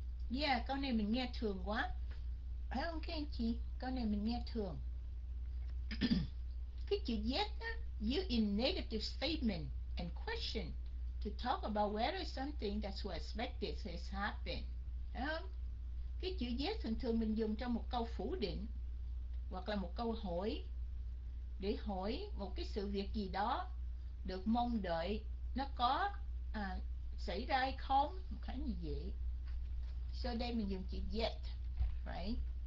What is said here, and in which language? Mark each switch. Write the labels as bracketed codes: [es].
[vi] Yeah, câu này mình nghe thường quá. Phải không các anh chị? Câu này mình nghe thường. Cái chữ [en] yet á, you in negative statement and question to talk about whether something that's expected has happened. [vi] Phải không? Cái chữ yes thường thường mình dùng trong một câu phủ định hoặc là một câu hỏi, để hỏi một cái sự việc gì đó được mong đợi nó có xảy ra hay không, một cái như vậy. So đây mình dùng chữ yet, right?